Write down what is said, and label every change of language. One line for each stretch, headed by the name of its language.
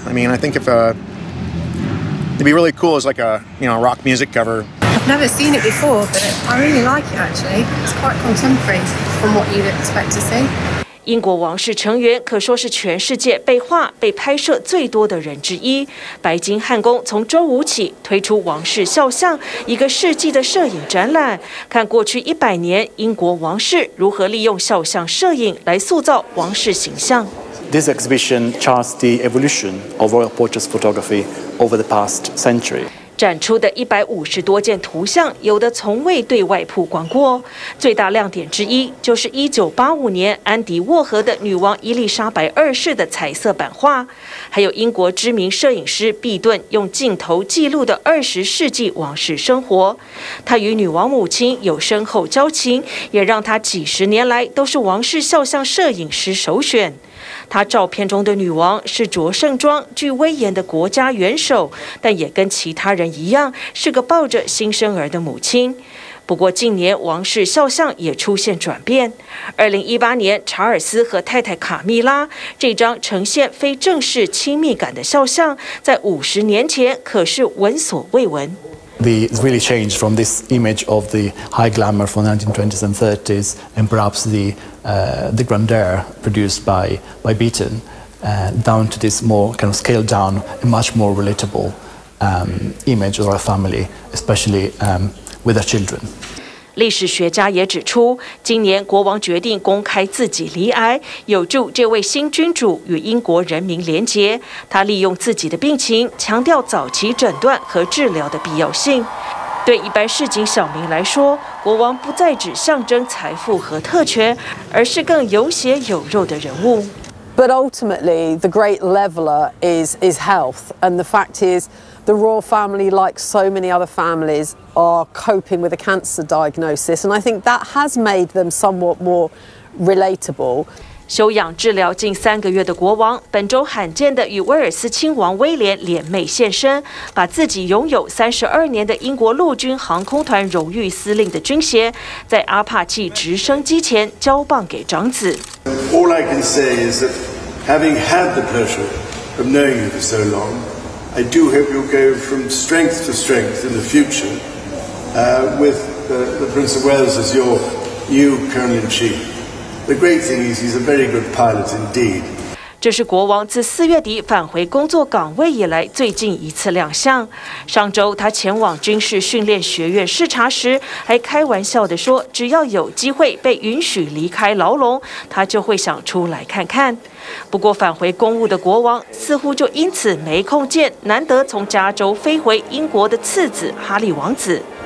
English: I mean, I think it'd be really cool as like a, you know, rock music cover. I've never seen it before, but I really like it actually. It's quite contemporary from what you'd expect to see.
Chinese: 英国王室成员可说是全世界被画、被拍摄最多的人之一。白金汉宫从周五起推出王室肖像，一个世纪的摄影展览，看过去100年英国王室如何利用肖像摄影来塑造王室形象。
English: This exhibition charts the evolution of royal portrait photography over the past century.
Chinese: 展出的150多件图像，有的从未对外曝光过。最大亮点之一就是1985年安迪沃荷的女王伊丽莎白二世的彩色版画，还有英国知名摄影师毕顿用镜头记录的20世纪王室生活。他与女王母亲有深厚交情，也让他几十年来都是王室肖像摄影师首选。她照片中的女王是着盛装、具威严的国家元首，但也跟其他人一样，是个抱着新生儿的母亲。不过近年王室肖像也出现转变。2018年，查尔斯和太太卡米拉这张呈现非正式亲密感的肖像，在50年前可是闻所未闻。
English: The really changed from this image of the high glamour from the 1920s and 30s, and perhaps the grandeur produced by Beaton, down to this more kind of scaled down and much more relatable image of our family, especially with their children.
Chinese: 历史学家也指出，今年国王决定公开自己罹癌，有助这位新君主与英国人民连结。他利用自己的病情，强调早期诊断和治疗的必要性。对一般市井小民来说，国王不再只象征财富和特权，而是更有血有肉的人物。
English: But ultimately, the great leveler is health, and the fact is. The royal family, like so many other families, are coping with a cancer diagnosis, and I think that has made them somewhat more relatable.
Chinese: 休养治疗近3个月的国王，本周罕见的与威尔斯亲王威廉联袂现身，把自己拥有32年的英国陆军航空团荣誉司令的军衔，在阿帕契直升机前交棒给长子。
English: All I can say is that, having had the pleasure of knowing you for so long. I do hope you'll go from strength to strength in the future, with the Prince of Wales as your new Crown-in-Chief. The great thing is he's a very good pilot indeed.
Chinese: 这是国王自4月底返回工作岗位以来最近一次亮相。上周他前往军事训练学院视察时，还开玩笑地说，只要有机会被允许离开牢笼，他就会想出来看看。不过返回公务的国王似乎就因此没空见难得从加州飞回英国的次子哈利王子。